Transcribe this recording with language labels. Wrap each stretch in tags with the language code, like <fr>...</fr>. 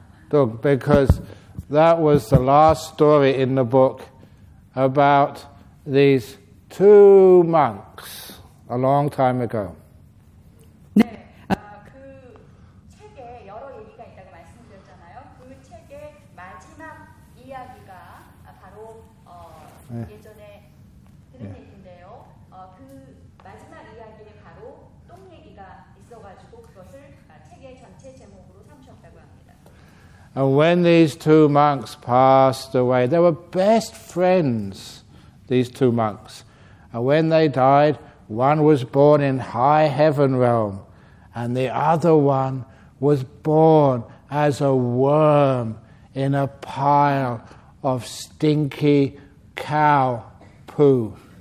<ko>뚱,</ko> <en>because that was the last story in the book about these two monks a long time ago.</en> <ko>네, 그 책에 여러 얘기가 있다고 말씀드렸잖아요. 그 책의 마지막 이야기가 바로 예전에 들은 yeah. 얘기인데요. 그 마지막 이야기에 바로 똥 얘기가 있어가지고 그것을 책의 전체 제목으로 삼으셨다고 합니다.</ko> <en>And when these two monks passed away, they were best friends, these two monks. And when they died, one was born in high heaven realm, and the other one was born as a worm in a pile of stinky cow poo.</en>